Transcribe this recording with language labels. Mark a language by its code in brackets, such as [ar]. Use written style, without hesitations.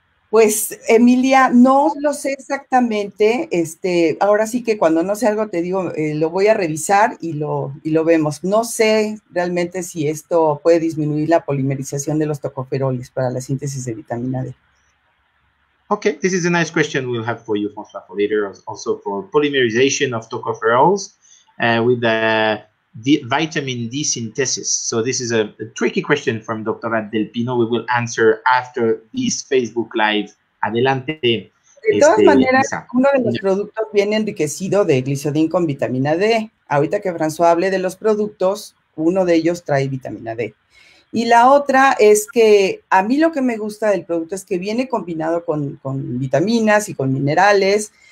[es] Pues, Emilia, no lo sé exactamente. Ahora sí que cuando no sé algo, te digo, lo voy a revisar y lo vemos. No sé realmente si esto puede disminuir la polimerización de los tocoferoles para la síntesis de vitamina D. [en] Okay, this is a nice question we'll have for you, François, for later, also for polymerization of tocoferols. With the vitamin D synthesis. So this is a tricky question from Dr. Del Pino. We will answer after this Facebook Live. [es] Adelante. De todas maneras, uno de los productos viene enriquecido de glisodín con vitamina D. Ahorita que François hable de los productos, uno de ellos trae vitamina D. Y la otra es que a mí lo que me gusta del producto es que viene combinado con vitaminas y con minerales.